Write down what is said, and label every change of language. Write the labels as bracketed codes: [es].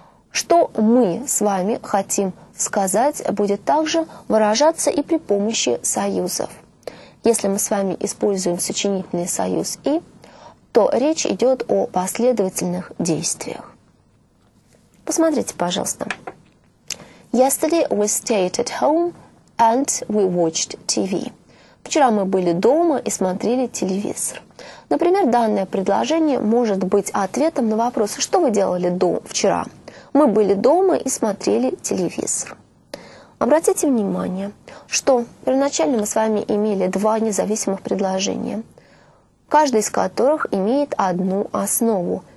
[ru] Что мы с вами хотим сказать, будет также выражаться и при помощи союзов. Если мы с вами используем сочинительный союз «и», то речь идет о последовательных действиях. Посмотрите, пожалуйста. [en] Yesterday we stayed at home and we watched TV. [ru] Вчера мы были дома и смотрели телевизор. Например, данное предложение может быть ответом на вопрос, что вы делали вчера. Мы были дома и смотрели телевизор. Обратите внимание, что первоначально мы с вами имели два независимых предложения, каждый из которых имеет одну основу.